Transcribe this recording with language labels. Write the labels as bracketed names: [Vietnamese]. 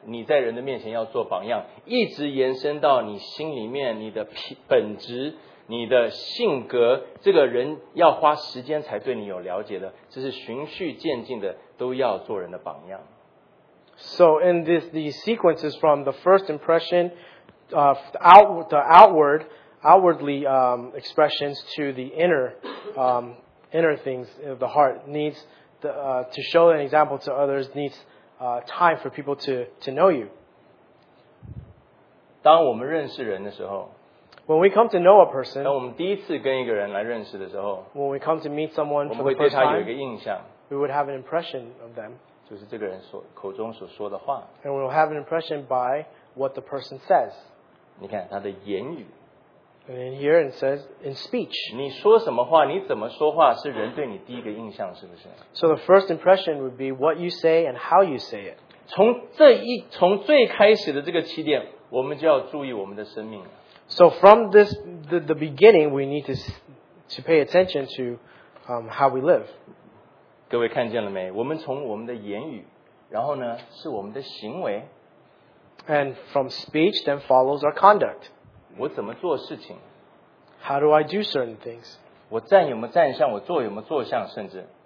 [Chinese] 是从人对你的第一首先的印象来看你在人的面前要做榜样, 一直延伸到你心里面你的本质, 你的性格, 这个人要花时间才对你有了解的, 这是循序渐进的, 都要做人的榜样。 [English] So in this, the sequence is from the first impression, outwardly expressions to the inner things of the heart needs to show an example to others, needs time for people to know you. [Chinese] 当我们认识人的时候, [English] when we come to know a person, [Chinese] 当我们第一次跟一个人来认识的时候, [English] when we come to meet someone for the first time, we would have an impression of them. [Chinese] 就是这个人口中所说的话, [English] and we will have an impression by what the person says. [Chinese] 你看他的言语, [English] and in here it says in speech. [Chinese] 你说什么话，你怎么说话, 是人对你第一个印象, 是不是? [English] So the first impression would be what you say and how you say it. [Chinese] 从最开始的这个起点, 我们就要注意我们的生命。 [English] So from this, the beginning, we need to pay attention to how we live. [Chinese] 各位看见了没? 我们从我们的言语, 然后呢, 是我们的行为, [English] and from speech, then follows our conduct. [Chinese] 我怎么做事情? [English] How do I do certain things? [Chinese] 我站有没有站相, 我坐有没有坐相, 甚至?